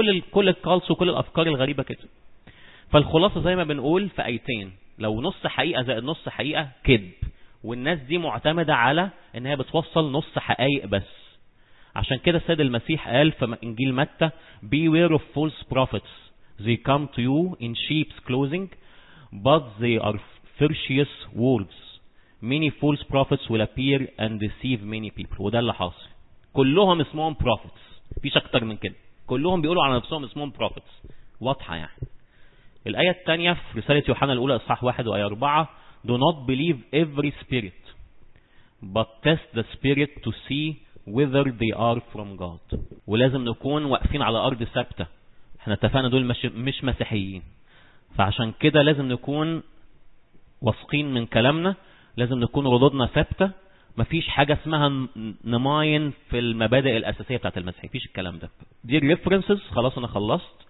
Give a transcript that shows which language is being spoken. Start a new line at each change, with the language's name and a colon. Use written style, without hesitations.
Arabic: كل الكالس وكل الأفكار الغريبة كده. فالخلاصة زي ما بنقول في آيتين، لو نص حقيقة زائد نص حقيقة كذب، والناس دي معتمدة على انها بتوصل نص حقائق بس. عشان كده السيد المسيح قال في انجيل متى
English: beware of false prophets. They come to you in sheep's clothing, but they are ferocious wolves. Many false prophets will appear and deceive many people.
Arabic: وده اللي حاصل. كلهم اسمهم prophets. فيش اكتر من كده. كلهم بيقولوا على نفسهم اسمهم prophets. واضحة يعني. الآية الثانية في رسالة يوحنا الأولى إصحاح 1 وآية 4.
English: Do not believe every spirit, but test the spirit to see whether they are from God.
Arabic: ولازم نكون واقفين على أرض ثابتة. احنا اتفقنا دول مش مسيحيين، فعشان كده لازم نكون واثقين من كلامنا، لازم نكون ردودنا ثابتة. مفيش حاجة اسمها نماين في المبادئ الأساسية بتاعت المسيحية، مفيش الكلام ده. دي الريفرنسز. خلاص انا خلصت.